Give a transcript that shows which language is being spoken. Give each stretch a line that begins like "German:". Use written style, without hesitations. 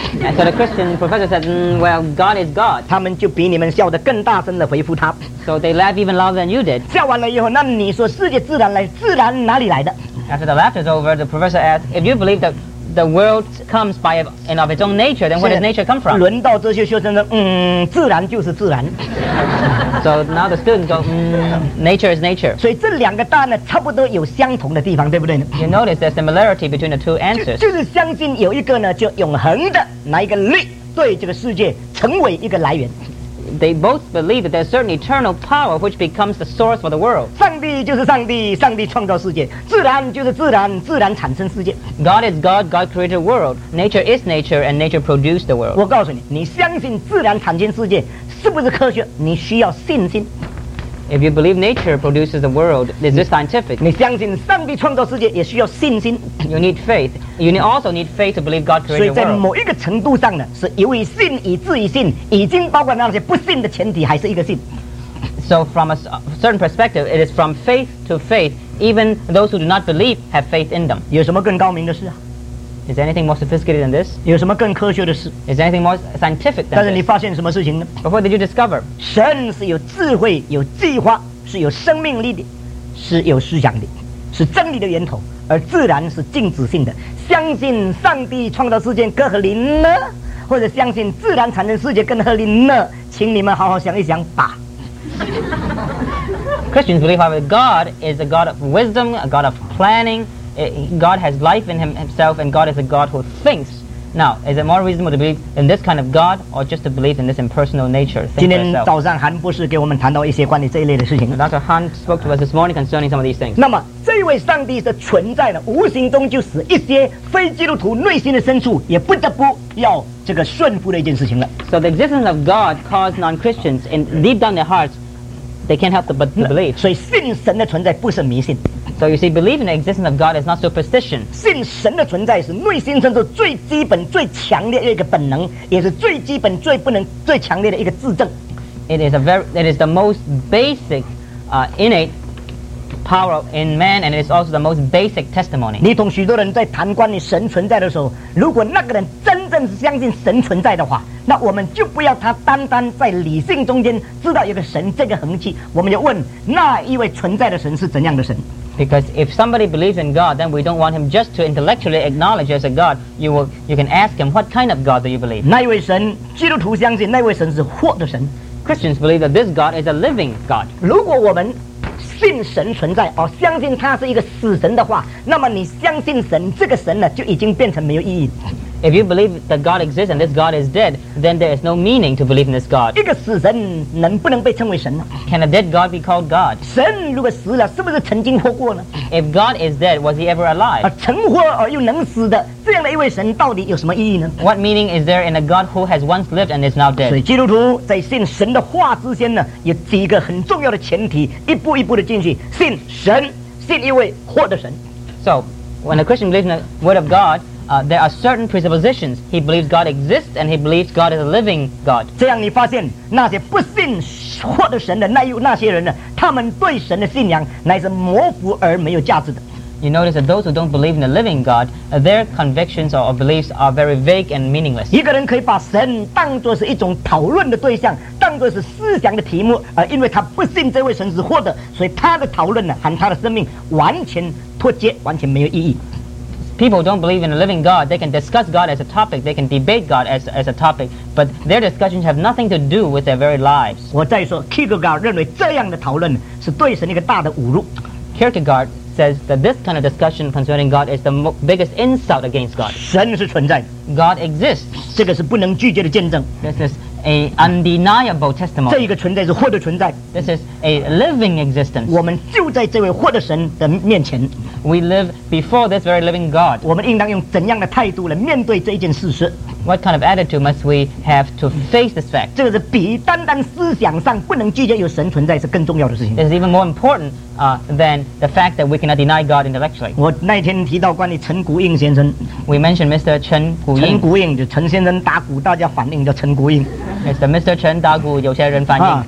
English: And so the Christian professor said, well, God is God.
Chinese: 他们就比你们笑得更大声地回复他。
English: So they laugh even louder than you did.
Chinese: 笑完了以后，那你说世界自然来，自然哪里来的？
English: After the laughter is over, the professor asked, if you believe that the world comes by and of its own nature, then where does nature come from?
Chinese: 轮到这些学生说，自然就是自然。
English: So now the students go, nature is nature.
Chinese: 所以这两个答案呢，差不多有相同的地方，对不对呢？
English: You notice there's similarity between the two answers.
Chinese: 就是相信有一个呢，就永恒的拿一个力对这个世界成为一个来源。
English: They both believe that there's certain eternal power which becomes the source for the world.
Chinese: 上帝就是上帝，上帝创造世界，自然就是自然，自然产生世界。
English: God is God, God created the world. Nature is nature, and nature produced the world.
Chinese: 我告诉你，你相信自然产生世界，是不是科学？你需要信心。
English: If you believe nature produces the world, is this scientific?
Chinese: 你相信上帝创造世界也需要信心。
English: You need faith. You also need faith to believe God created the world.
Chinese: 所以在某一个程度上呢，是由于信以至于信，已经包括那些不信的前提，还是一个信。
English: So from a certain perspective, it is from faith to faith. Even those who do not believe have faith in them.
Chinese: 有什么更高明的事啊？
English: Is there anything more sophisticated than this?
Chinese: 有什么更科学的事？
English: Is there anything more scientific than this?
Chinese: 但是你发现什么事情呢？
English: But what did you discover?
Chinese: 神是有智慧、有计划，是有生命力的，是有思想的，是真理的源头，而自然是静止性的。相信上帝创造世界更合理呢，或者相信自然产生世界更合理呢？请你们好好想一想吧。
English: Christians believe that God is a God of wisdom, a God of planning. God has life in himself, and God is a God who thinks. Now, is it more reasonable to believe in this kind of God, or just to believe in this impersonal nature?
Chinese: 今天早上韩博士给我们谈到一些关于这一类的事情。
English: Dr. Han spoke to us this morning concerning some of these things.
Chinese: 那么这位上帝的存在呢，无形中就使一些非基督徒内心的深处也不得不要这个顺服的一件事情了。
English: So the existence of God caused non-Christians, and deep down their hearts, they can't help but to believe.
Chinese: 所以信神的存在不是迷信。
English: So you see, believing the existence of God is not superstition.
Chinese: 信神的存在是内心深处最基本、最强烈的一个本能，也是最基本、最不能、最强烈的一个自证。
English: It is a very, it is the most basic, innate power in man, and it is also the most basic testimony.
Chinese: 你同许多人在谈关于神存在的时候，如果那个人真正是相信神存在的话，那我们就不要他单单在理性中间知道有个神这个痕迹，我们就问那一位存在的神是怎样的神。
English: Because if somebody believes in God, then we don't want him just to intellectually acknowledge as a God. You can ask him, what kind of God do you believe?
Chinese: 那位神，基督徒相信那位神是活的神。
English: Christians believe that this God is a living God.
Chinese: 如果我们信神存在，而相信他是一个死神的话，那么你相信神，这个神呢，就已经变成没有意义。
English: If you believe that God exists and this God is dead, then there is no meaning to believe in this God.
Chinese: 一个死神能不能被称为神呢？
English: Can a dead God be called God?
Chinese: 神如果死了，是不是曾经活过呢？
English: If God is dead, was he ever alive?
Chinese: 而曾活而又能死的这样的一位神到底有什么意义呢？
English: What meaning is there in a God who has once lived and is now dead?
Chinese: 所以基督徒在信神的话之前呢，有几个很重要的前提，一步一步的进去，信神，信一位活的神。
English: So, when a Christian believes in the word of God,there are certain presuppositions. He believes God exists, and he believes God is a living God.
Chinese: 这样你发现那些不信活的神的那些人呢，他们对神的信仰乃是模糊而没有价值的。
English: You notice that those who don't believe in the living God, their convictions or beliefs are very vague and meaningless.
Chinese: 一个人可以把神当作是一种讨论的对象，当作是思想的题目，而因为他不信这位神是活的，所以他的讨论呢和他的生命完全脱节，完全没有意义。
English: People don't believe in a living God. They can discuss God as a topic. They can debate God as a topic. But their discussions have nothing to do with their very lives.
Chinese: 我再说 Kierkegaard 认为这样的讨论是对神一个大的侮辱。
English: Kierkegaard says that this kind of discussion concerning God is the biggest insult against God.
Chinese: 神是存在，
English: God exists.
Chinese: 这个是不能拒绝的见证。
English: This is an undeniable testimony.
Chinese: 这一个存在是活的存在。
English: This is a living existence.
Chinese: 我们就在这位活的神的面前。
English: We live before this very living God.
Chinese: 我们应当用怎样的态度来面对这件事实？
English: What kind of attitude must we have to face this fact?
Chinese: 这个是比单单思想上不能拒绝有神存在是更重要的事情。
English: This is even more important, than the fact that we cannot deny God intellectually.
Chinese: 我那天提到关于陈谷应先生。
English: We mentioned Mr. Chen Guying.
Chinese: 陈谷应就陈先生打鼓，大家反应叫陈谷应。
English: It's the Mr.
Chinese: Chen 打鼓，有些人反应。